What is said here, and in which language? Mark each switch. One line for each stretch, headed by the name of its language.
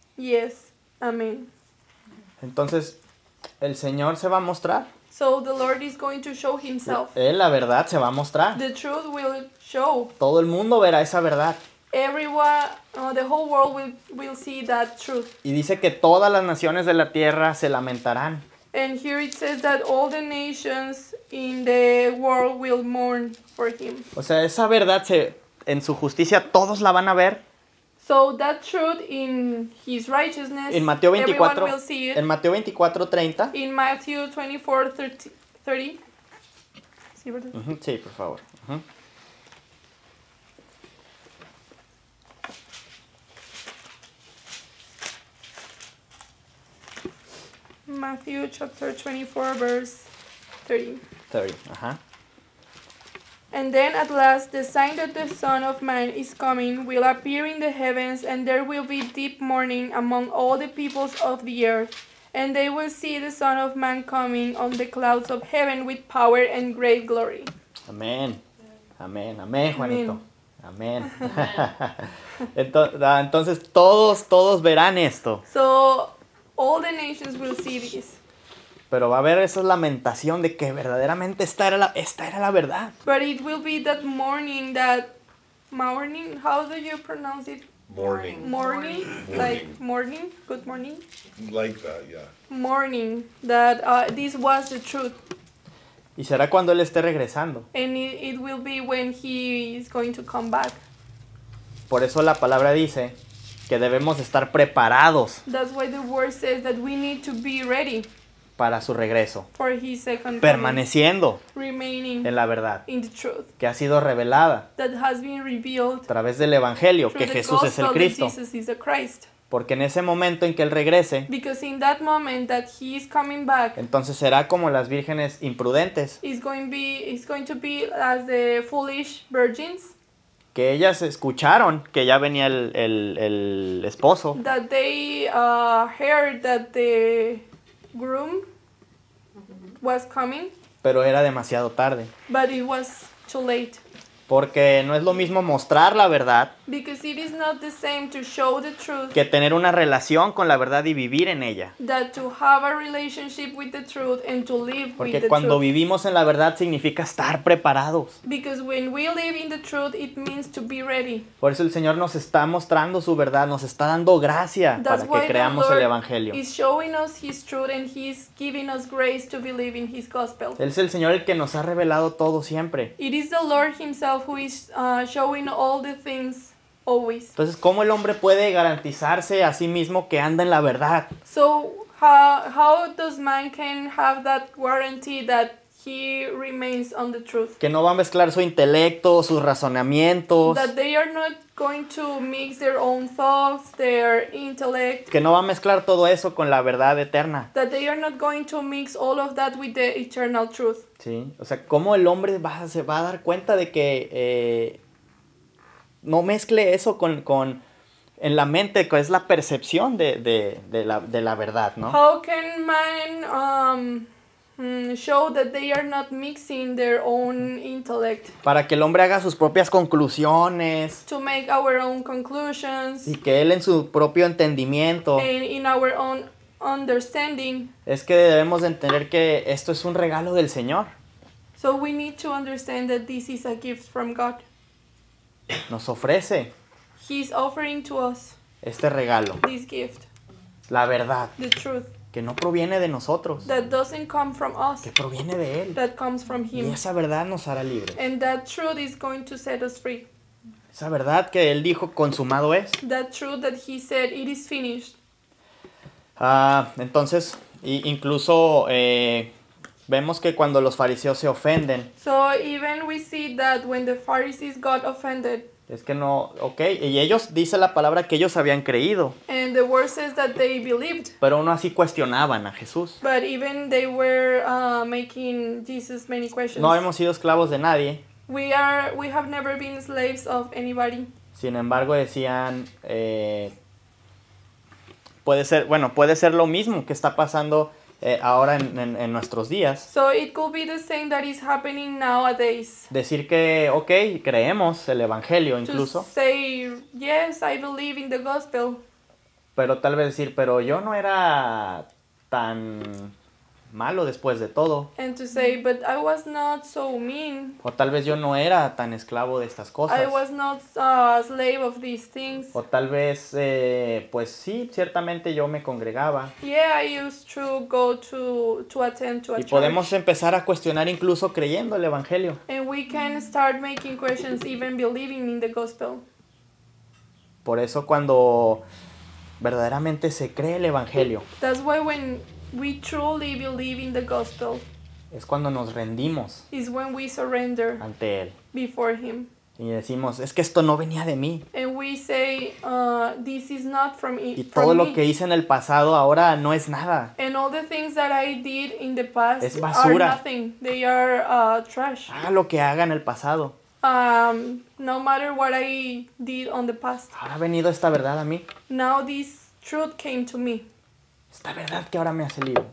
English: Yes, amen.
Spanish: Entonces, el Señor se va a mostrar.
English: So the Lord is going to show himself.
Spanish: Él, la verdad, se va a mostrar.
English: The truth will show.
Spanish: Todo el mundo verá esa verdad.
English: Everyone, the whole world will see that truth.
Spanish: Y dice que todas las naciones de la tierra se lamentarán.
English: And here it says that all the nations in the world will mourn for him.
Spanish: O sea, esa verdad se, en su justicia todos la van a ver.
English: So that truth in his righteousness,
Spanish: en Mateo 24,
English: everyone will see it.
Spanish: En Mateo 24:30.
English: In Matthew 24:30.
Spanish: Sí, por favor.
English: Matthew chapter 24, verse 30. 30, And then at last the sign that the Son of Man is coming will appear in the heavens, and there will be deep mourning among all the peoples of the earth. And they will see the Son of Man coming on the clouds of heaven with power and great glory.
Spanish: Amén. Amén. Amén, Juanito. Amén. Entonces todos verán esto.
English: So all the nations will see this.
Spanish: Pero va a haber esa lamentación de que verdaderamente esta era la verdad.
English: But it will be that mourning, how do you pronounce it? Mourning. Mourning? Like morning? Good morning? Like that, yeah. Mourning, that this was the truth.
Spanish: Y será cuando él esté regresando.
English: And it will be when he is going to come back.
Spanish: Por eso la palabra dice que debemos estar preparados.
English: That's why the word says that we need to be ready.
Spanish: Para su regreso.
English: For his second coming.
Spanish: Permaneciendo.
English: Remaining.
Spanish: En la verdad.
English: In the truth.
Spanish: Que ha sido revelada.
English: That has been revealed.
Spanish: A través del evangelio. Que Jesús es el Cristo.
English: Jesus is the Christ.
Spanish: Porque en ese momento en que él regrese.
English: Because in that moment that he is coming back.
Spanish: Entonces será como las vírgenes imprudentes.
English: It's going to be as the foolish virgins.
Spanish: Que ellas escucharon que ya venía el esposo.
English: That they heard that the groom was coming.
Spanish: Pero era demasiado tarde.
English: But it was too late.
Spanish: Porque no es lo mismo mostrar la verdad.
English: Because it is not the same to show the truth.
Spanish: Que tener una relación con la verdad y vivir en ella.
English: That to have a relationship with the truth and to live with the truth.
Spanish: Porque cuando vivimos en la verdad significa estar preparados.
English: Because when we live in the truth, it means to be ready.
Spanish: Por eso el Señor nos está mostrando su verdad, nos está dando gracia para que creamos el evangelio.
English: That's why the Lord is showing us his truth and he's giving us grace to believe in his gospel.
Spanish: Él es el Señor el que nos ha revelado todo siempre.
English: It is the Lord himself who is showing all the things always.
Spanish: Entonces, ¿cómo el hombre puede garantizarse a sí mismo que anda en la verdad?
English: So, how does man can have that guarantee that he remains on the truth?
Spanish: Que no va a mezclar su intelecto, sus razonamientos.
English: That they are not going to mix their own thoughts, their intellect.
Spanish: Que no va a mezclar todo eso con la verdad eterna.
English: That they are not going to mix all of that with the eternal truth.
Spanish: Sí, o sea, ¿cómo el hombre se va a dar cuenta de que no mezcle eso con en la mente, que es la percepción de la verdad, ¿no?
English: How can man show that they are not mixing their own intellect.
Spanish: Para que el hombre haga sus propias conclusiones.
English: To make our own conclusions.
Spanish: Y que él en su propio entendimiento.
English: And in our own understanding.
Spanish: Es que debemos entender que esto es un regalo del Señor.
English: So we need to understand that this is a gift from God.
Spanish: Nos ofrece.
English: He's offering to us.
Spanish: Este regalo.
English: This gift.
Spanish: La verdad.
English: The truth.
Spanish: Que no proviene de nosotros.
English: That doesn't come from us.
Spanish: Que proviene de Él.
English: That comes from Him.
Spanish: Y esa verdad nos hará libres.
English: And that truth is going to set us free.
Spanish: Esa verdad que Él dijo consumado es.
English: That truth that He said it is finished.
Spanish: Entonces, incluso vemos que cuando los fariseos se ofenden.
English: So even we see that when the Pharisees got offended.
Spanish: Es que no, okay, y ellos dice la palabra que ellos habían creído.
English: And the word says that they believed.
Spanish: Pero aún así cuestionaban a Jesús.
English: But even they were making Jesus many questions.
Spanish: No hemos sido esclavos de nadie.
English: We have never been slaves of anybody.
Spanish: Sin embargo, decían puede ser lo mismo que está pasando ahora en nuestros días.
English: So it could be the same that is happening nowadays.
Spanish: Decir que okay, creemos el evangelio incluso.
English: To say yes, I believe in the gospel.
Spanish: Pero tal vez decir, pero yo no era tan malo después de todo.
English: And to say, but I was not so mean.
Spanish: O tal vez yo no era tan esclavo de estas cosas.
English: I was not a slave of these things.
Spanish: O tal vez, pues sí, ciertamente yo me congregaba.
English: Yeah, I used to go to attend to a church.
Spanish: Y podemos empezar a cuestionar incluso creyendo el evangelio.
English: And we can start making questions even believing in the gospel.
Spanish: Por eso cuando verdaderamente se cree el evangelio.
English: That's why when we truly believe in the gospel.
Spanish: Es cuando nos rendimos.
English: Is when we surrender.
Spanish: Ante él.
English: Before him.
Spanish: Y decimos, es que esto no venía de mí.
English: And we say, this is not from me.
Spanish: Y todo lo que hice en el pasado ahora no es nada.
English: And all the things that I did in the past.
Spanish: Es basura.
English: Are nothing. They are trash.
Spanish: Haga lo que haga en el pasado.
English: No matter what I did on the past.
Spanish: Ahora ha venido esta verdad a mí.
English: Now this truth came to me.
Spanish: Esta verdad que ahora me hace libre.